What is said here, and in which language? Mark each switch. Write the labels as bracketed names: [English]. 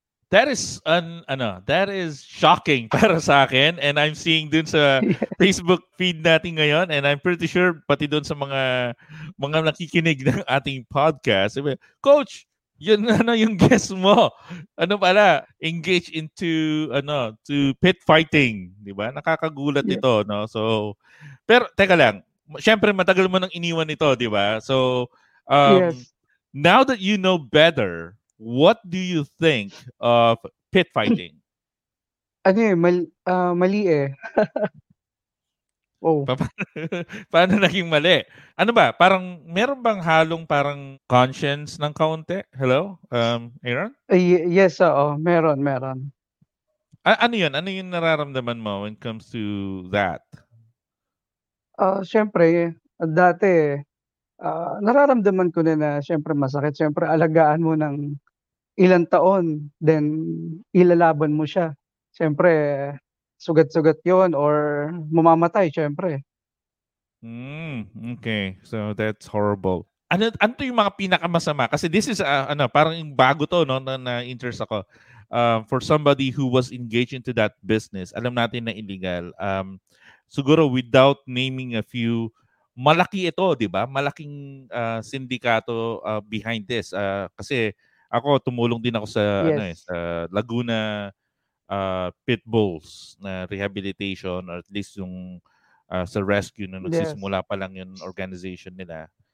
[English] That is that is shocking [Filipino] para sa akin, and I'm seeing dun sa Facebook feed natin ngayon, [English] and I'm pretty sure [Filipino] pati dun sa mga nakikinig ng ating podcast. Coach, yun ano yung guest mo? Ano pala? [English] Engage into to pit fighting, di ba? [Filipino] Nakakagulat ito, no? So pero teka lang. Syempre matagal mo nang iniwan ito, di ba? So [English] yes. Now that you know better, what do you think of pit fighting? [Filipino] Ano eh, mali eh. Oh. Paano naging mali? Ano ba? Parang meron bang halong parang conscience ng kaunti? Hello? Aaron? Yes, oo. Meron. Ano yun? Ano yung nararamdaman mo [English] when it comes to that? [Filipino] Siyempre, dati nararamdaman ko na siyempre masakit. Siyempre, alagaan mo ng ilang taon, then ilalaban mo siya. Siyempre, sugat-sugat yon or mamamatay, siyempre. [English] Okay, so that's horrible. [Filipino] Ano yung mga pinakamasama? Kasi this is, parang yung bago to, no, na interest ako. [English] For somebody who was engaged into that business, [Filipino] alam natin na illegal. Siguro [English] without naming a few, [Filipino] malaki ito, di ba? Malaking sindikato behind this. Kasi, ako tumulong din ako sa yes. Sa Laguna pit bulls na rehabilitation, or at least yung sa rescue na nagsisimula pa lang yung organization nila.